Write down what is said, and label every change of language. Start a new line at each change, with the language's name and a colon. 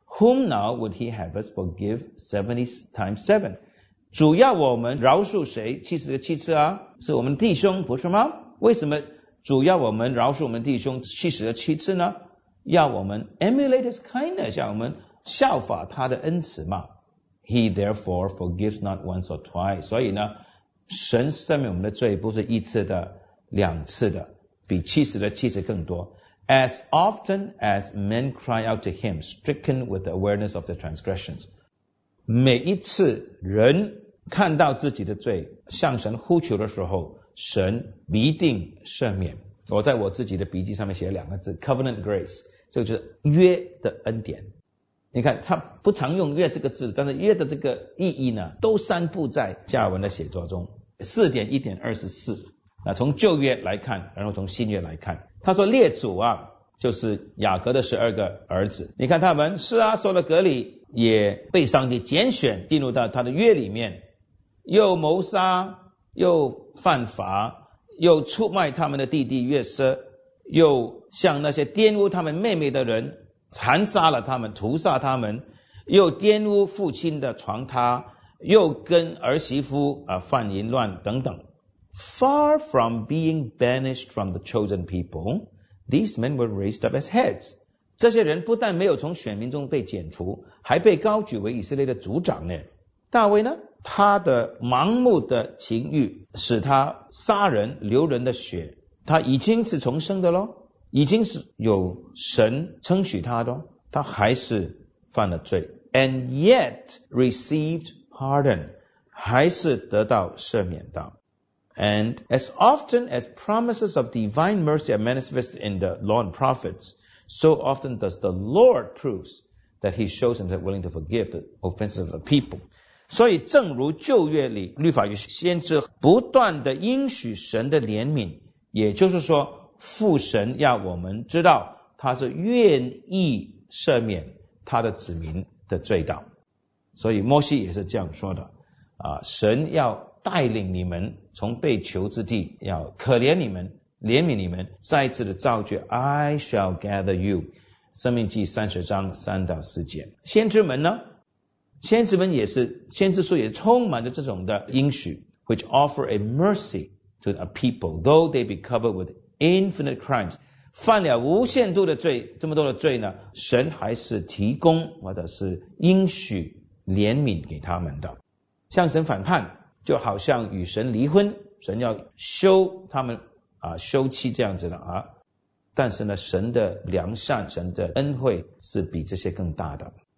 English: Whom now would he have us forgive 70 times 7？
Chinese: 主要我们饶恕谁77次啊？是我们弟兄不是吗？为什么主要我们饶恕我们弟兄77次呢？要我们 emulate his kindness， 要我们效法他的恩慈嘛。
English: He therefore forgives not once or twice，
Chinese: 所以呢神赦免我们的罪不是一次的两次的，比77次更多。
English: As often as men cry out to him, stricken with the awareness of their transgressions.
Chinese: 每一次人看到自己的罪，向神呼求的时候，神必定赦免。我在我自己的笔记上面写了两个字 ,covenant grace, 这个就是约的恩典。你看他不常用约这个字，但是约的这个意义呢都散布在加尔文的写作中。 4.1.24。那从旧约来看，然后从新约来看，他说列祖啊，就是雅各的12个儿子，你看他们是啊，受了隔离也被上帝拣选进入到他的约里面，又谋杀又犯法又出卖他们的弟弟约瑟，又向那些玷污他们妹妹的人残杀了他们屠杀他们，又玷污父亲的床榻，又跟儿媳妇犯淫乱等等。
English: Far from being banished from the chosen people, these men were raised up as heads.
Chinese: 这些人不但没有从选民中被剪除，还被高举为以色列的族长呢。大卫呢，他的盲目的情欲使他杀人流人的血，他已经是重生的咯，已经是有神称许他的，他还是犯了罪。
English: And yet received pardon,
Chinese: 还是得到赦免的。
English: And as often as promises of divine mercy are manifested in the law and prophets, so often does the Lord proves that he shows himself willing to forgive the offenses of the people.
Chinese: 所以正如旧约里律法与先知不断的应许神的怜悯，也就是说父神要我们知道他是愿意赦免他的子民的罪的。所以摩西也是这样说的神要带领你们从被囚之地，要可怜你们怜悯你们，再一次的造句
English: I shall gather you，
Chinese: 生命记30章3到4节。先知们呢，先知们也是，先知书也充满着这种的应许，
English: which offer a mercy to a people, though they be covered with infinite crimes.
Chinese: 犯了无限度的罪，这么多的罪呢，神还是提供或者是应许怜悯给他们的。向神反叛，就好像与神离婚，神要休他们啊，休妻这样子的啊。但是呢，神的良善，神的恩惠是比这些更大的。